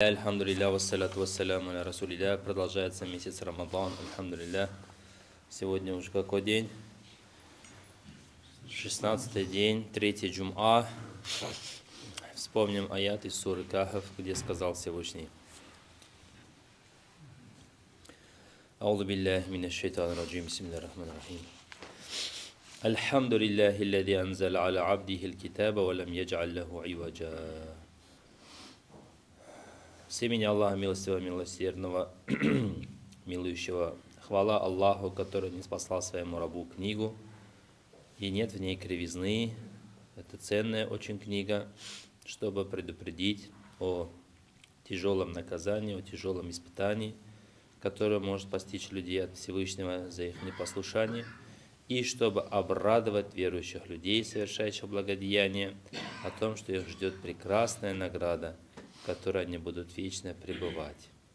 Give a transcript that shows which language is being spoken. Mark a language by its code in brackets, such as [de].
[ar] الحمد لله والصلاة والسلام على رسول الله. [ru] Продолжается месяц Рамадан. [ar] الحمد لله. [ru] Сегодня уже какой день? 16-й день, 3-й Джум'а. Вспомним аят из суры Кахф, где сказал Всевышний. [ar] أعوذ بالله من الشيطان الرجيم. بسم الله الرحمن الرحيم. الحمد لله الذي أنزل على عبده الكتاب ولم يجعل له عوجا. [ru] С имени Аллаха милостивого, милосердного, милующего. Хвала Аллаху, который ниспослал своему рабу книгу, и нет в ней кривизны. Это ценная очень книга, чтобы предупредить о тяжелом наказании, о тяжелом испытании, которое может постичь людей от Всевышнего за их непослушание, и чтобы обрадовать верующих людей, совершающих благодеяния, о том, что их ждет прекрасная награда, в которой они будут вечно пребывать.